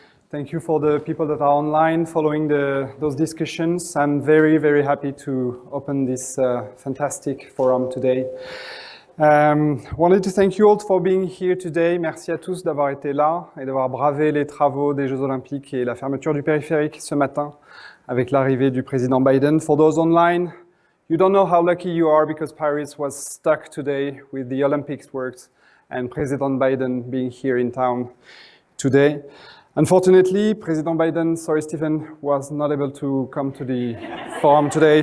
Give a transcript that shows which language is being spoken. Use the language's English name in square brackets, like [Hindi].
[English] Thank you for the people that are online following those discussions. I'm very, very happy to open this fantastic forum today. Wanted to thank you all for being here today. [French] Merci à tous d'avoir été là et d'avoir bravé les travaux des Jeux Olympiques et la fermeture du périphérique ce matin avec l'arrivée du président Biden. [English] For those online, you don't know how lucky you are because Paris was stuck today with the Olympics works and President Biden being here in town today. Unfortunately, President Biden, sorry Stephen, was not able to come to the forum today.